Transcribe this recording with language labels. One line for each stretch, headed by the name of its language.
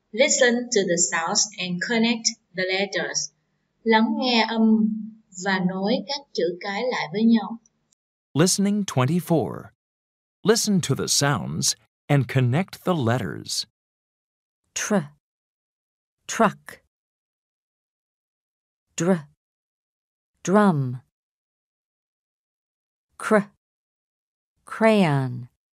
English: Listen to the sounds and connect the letters.
Vietnamese: Lắng nghe âm và nối các chữ cái lại với nhau.
English: Listening 24. Listen to the sounds and connect the letters. Tr. Truck. Dr. Drum. Cr. Crayon.